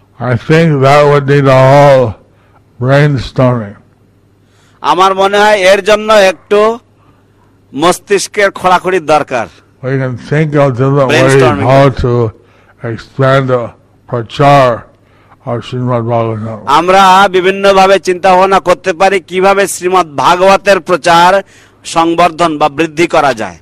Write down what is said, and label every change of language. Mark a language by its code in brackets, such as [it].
[en] I think that would need a whole brainstorming. [bn] আমার মনে হয় এর জন্য একটু মস্তিষ্কের খোলাখুলি দরকার। [en] We can think of different ways how to expand the prachar of Srimad Bhagavatam. [bn] আমরা বিভিন্ন ভাবে চিন্তা ভাবনা করতে পারি কিভাবে শ্রীমদ ভাগবতের প্রচার সংবর্ধন বা বৃদ্ধি করা